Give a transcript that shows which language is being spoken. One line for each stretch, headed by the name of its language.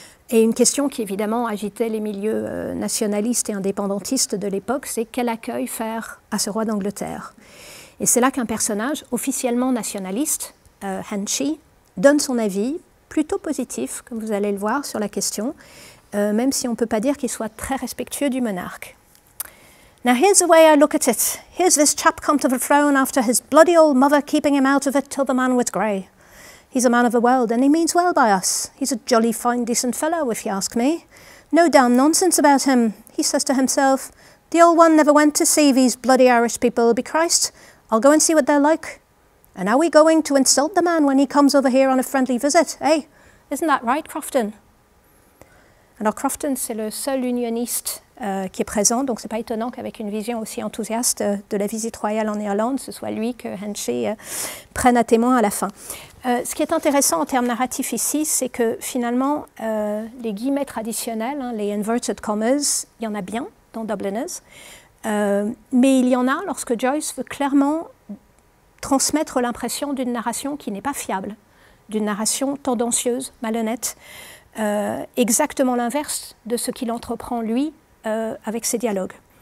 French: Et une question qui évidemment agitait les milieux nationalistes et indépendantistes de l'époque, c'est quel accueil faire à ce roi d'Angleterre? Et c'est là qu'un personnage officiellement nationaliste, Henchy, donne son avis, plutôt positif, comme vous allez le voir, sur la question, même si on ne peut pas dire qu'il soit très respectueux du monarque.
English: Now here's the way I look at it. Here's this chap come to the throne after his bloody old mother keeping him out of it till the man was grey. He's a man of the world and he means well by us. He's a jolly fine decent fellow, if you ask me. No damn nonsense about him. He says to himself, the old one never went to see these bloody Irish people, be Christ. I'll go and see what they're like. And are we going to insult the man when he comes over here on a friendly visit, eh? Isn't that right, Crofton?
French: Alors Crofton, c'est le seul unioniste qui est présent, donc ce n'est pas étonnant qu'avec une vision aussi enthousiaste de la visite royale en Irlande, ce soit lui que Henchy prenne à témoin à la fin. Ce qui est intéressant en termes narratifs ici, c'est que finalement, les guillemets traditionnels, hein, les inverted commas, il y en a bien dans Dubliners, mais il y en a lorsque Joyce veut clairement transmettre l'impression d'une narration qui n'est pas fiable, d'une narration tendancieuse, malhonnête, exactement l'inverse de ce qu'il entreprend lui, avec ses dialogues.